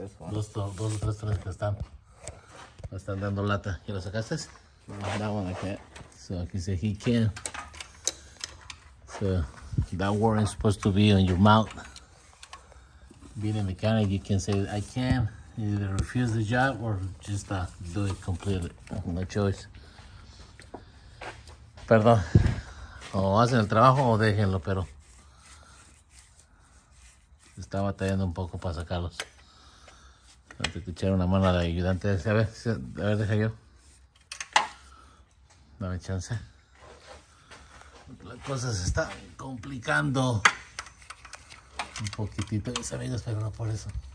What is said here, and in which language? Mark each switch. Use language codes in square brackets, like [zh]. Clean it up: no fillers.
[es] Dos o tres que están. Me están dando lata. ¿Y lo sacaste? No, no, aquí. So, aquí dice, [en] he can. So. That word is supposed to be on your mouth. Being a mechanic, you can say, I can either refuse the job or just do it completely. No choice. [es] Perdón. O hacen el trabajo o déjenlo, pero está batallando un poco para sacarlos. Antes de echar una mano al ayudante, a ver, deja yo. Dame chance. La cosa se está complicando un poquitito, mis amigos, pero no por eso.